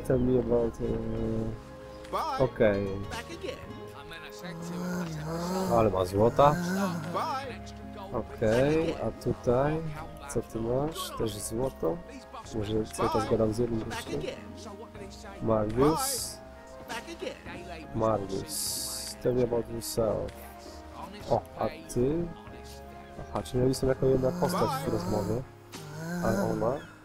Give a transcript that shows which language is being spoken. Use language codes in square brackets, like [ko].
[pl] Ten mi about... Okej. Okay. Ale ma złota. Okej, okay, a tutaj, co ty masz? Też złoto? Może tylko zgadam z jednym gościem? Margus? [en] Margus, tell me about yourself. [pl] O, a ty? Aha, czyli oni są jako jedna postać w rozmowie. A ona?